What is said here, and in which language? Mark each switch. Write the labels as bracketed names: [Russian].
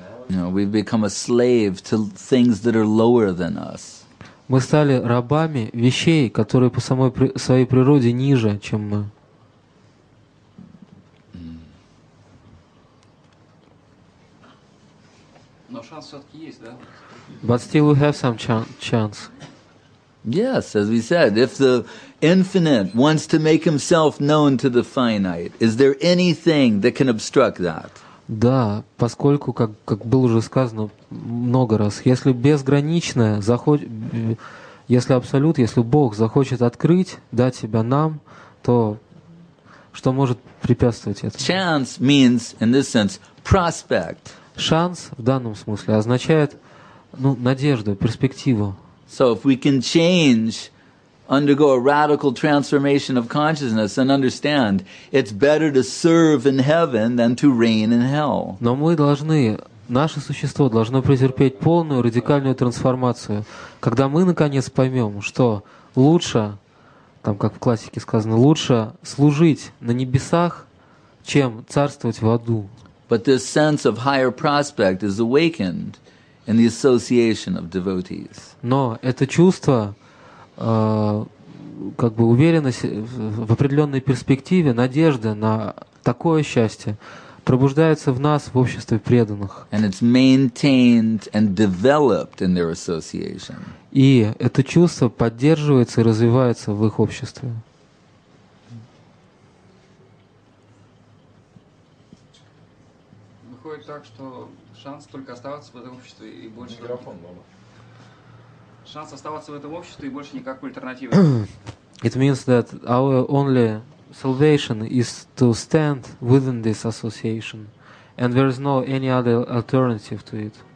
[English] You know, we've become a slave to things that are lower than us. [Russian] Мы стали рабами вещей, которые по самой своей природе ниже, чем мы. Но шанс все-таки есть, да? [English] But still, we have some chance. Yes, as we said, if the infinite wants to make himself known to the finite, is there anything that can obstruct that? [Russian] Да, поскольку, как было уже сказано много раз, если безграничное захочет, если абсолют, если Бог захочет открыть, дать себя нам, то что может препятствовать этому? [English] Chance means, in this sense, prospect. [Russian] Шанс в данном смысле означает надежду, перспективу. [English] So if we can change, undergo a radical transformation of consciousness and understand it's better to serve in heaven than to reign in hell. [Russian] Но мы должны, наше существо должно претерпеть полную радикальную трансформацию, когда мы наконец поймем, что лучше, там как в классике сказано, лучше служить на небесах, чем царствовать в аду. [English] But this sense of higher prospect is awakened in the association of devotees. [Russian] Но это чувство уверенности в определенной перспективе, надежды на такое счастье пробуждается в нас, в обществе преданных. [English] And it's maintained and developed in their association. [Russian] И это чувство поддерживается и развивается в их обществе. Выходит так, что шанс только оставаться в этом обществе и больше... Микрофон, шанс оставаться в этом обществе и больше никакой альтернативы. [English] It means that our only salvation is to stand within this association, and there is no any other alternative to it.